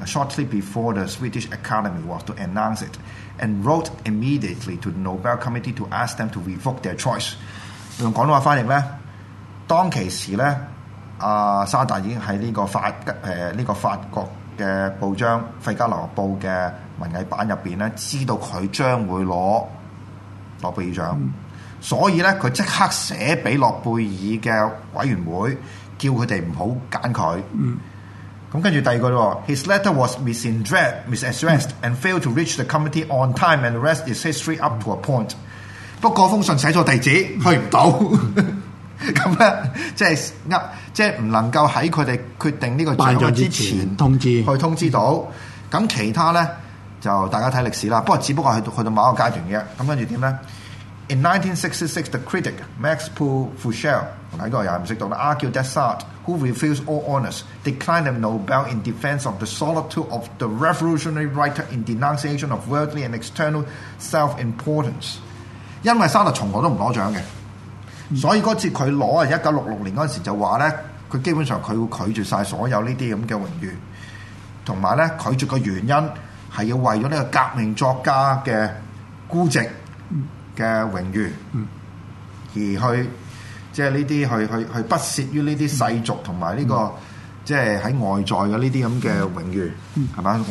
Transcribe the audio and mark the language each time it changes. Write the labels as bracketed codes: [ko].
[en] Shortly before the Swedish Academy was to announce it， and wrote immediately to the Nobel Committee to ask them to revoke their choice。 [yue] 用廣東話翻譯咧，當其時咧。啊、沙達已經在呢個法誒呢、這個法國嘅報章《費加羅報》的文藝版入邊咧，知道他將會攞諾貝爾獎、嗯，所以咧佢即刻寫俾諾貝爾的委員會，叫他哋不要揀他咁跟住第二個咯 ， [en] His letter was misaddressed and failed to reach the committee on time, and the rest is history up to a point。 [yue] 不過那封信寫錯地址，去唔到。咁咧，即系即系唔能夠喺佢哋決定呢個獎之 前通知去通知到。咁其他咧就大家睇歷史啦。不過只不過去到某一個階段嘅。咁跟住點咧 [en] ？In 1966, the critic Max Paul Fuchel [yue] 呢個又唔識讀啦 [en] ，argued that Sartre, who refused all honors, declined the Nobel in defence of the solitude of the revolutionary writer in denunciation of worldly and external self-importance。 [yue] 因為沙特從來都唔攞獎嘅。所以嗰次佢攞啊，1966年嗰陣時候就話咧，佢基本上佢會拒絕曬所有呢啲咁嘅榮譽，同埋咧拒絕嘅原因係要為咗呢個革命作家嘅孤寂嘅榮譽，而去即係呢啲去不屑於呢啲世俗同埋呢個即係喺外在嘅呢啲咁嘅榮譽，係嘛？